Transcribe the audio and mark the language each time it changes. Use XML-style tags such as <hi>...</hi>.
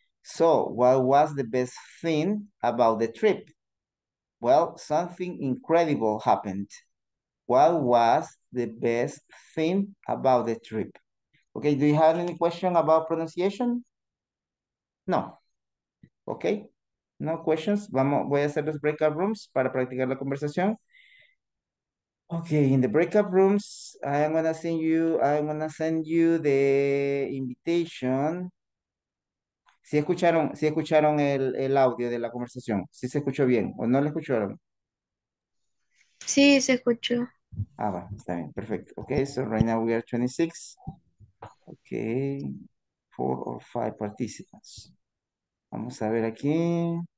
<en>So what was the best thing about the trip? Well, something incredible happened. What was the best thing about the trip? Okay, do you have any question about pronunciation? No. Okay, no questions.</en> <es>Vamos, voy a hacer los breakout rooms para practicar la conversación.</es> <en>Okay, in the breakout rooms, I'm gonna send you the invitation.</en> <es>¿Sí escucharon el audio de la conversación? ¿Sí se escuchó bien o no lo escucharon? Sí, se escuchó. Ah, va, está bien, perfecto.</es> <en>Okay, so right now we are 26. Okay, 4 or 5 participants.</en> <es>Vamos a ver aquí.</es>